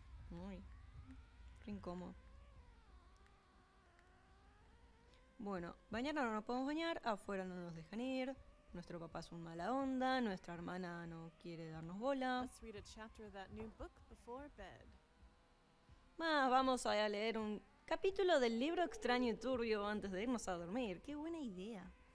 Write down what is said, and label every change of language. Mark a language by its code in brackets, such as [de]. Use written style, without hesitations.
[es] Muy incómodo. Bueno, bañar no nos podemos bañar, afuera no nos dejan ir. Nuestro papá es un mala onda, nuestra hermana no quiere darnos bola. [en] Let's read a chapter of that new book before bed. [es] Más vamos a leer un capítulo del libro extraño y turbio antes de irnos a dormir. Qué buena idea.